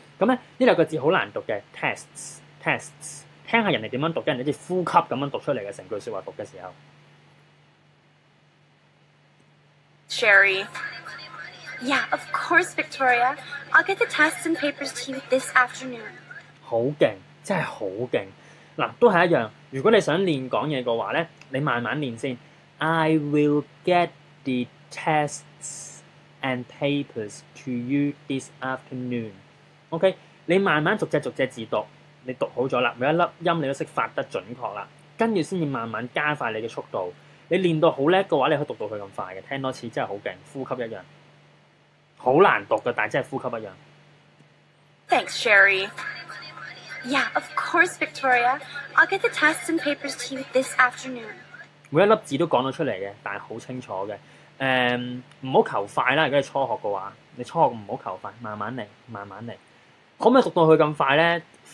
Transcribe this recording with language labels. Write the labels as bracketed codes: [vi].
[yue] 咁咧呢兩個字好難讀嘅 ，tests。聽下人哋點樣讀，跟人哋啲呼吸咁樣讀出嚟嘅成句説話讀嘅時候。 [en] Sherry, yeah, of course, Victoria. I'll get the tests and papers to you this afternoon. [yue] 好勁，真係好勁。嗱，都係一樣。如果你想練講嘢嘅話咧，你慢慢練先。 [en] I will get the tests and papers to you this afternoon. [yue] OK， 你慢慢逐隻字讀。你讀好咗啦，每一粒音你都識發得準確啦，跟住先至慢慢加快你嘅速度。你練到好叻嘅話，你可以讀到佢咁快嘅。聽多次真係好勁，呼吸一樣，好難讀嘅，但係真係呼吸一樣。 [en] Thanks, Sherry. Yeah, of course, Victoria. I'll get the tests and papers to you this afternoon. [yue] 每一粒字都講到出嚟嘅，但係好清楚嘅。唔好求快啦，如果你初學嘅話，你初學唔好求快，慢慢嚟，慢慢嚟。可唔可以讀到佢咁快呢？